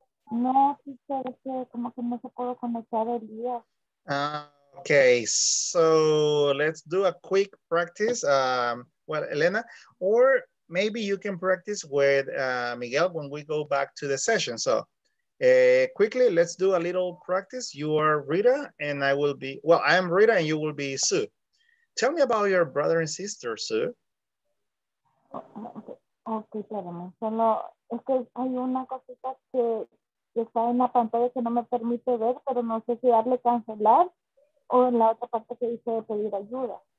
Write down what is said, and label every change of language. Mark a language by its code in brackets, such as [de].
[es] No, teacher, como que no se puede conectar el día. [en] Okay, so let's do a quick practice. Well, Elena, or maybe you can practice with Miguel when we go back to the session. So quickly, let's do a little practice. You are Rita and I will be, well, I am Rita and you will be Sue. Tell me about your brother and sister, Sue. [es] Okay, espérame. Solo, es que hay una cosita que está en la pantalla que no me permite ver, pero no sé si darle cancelar o en la otra parte que dice pedir ayuda.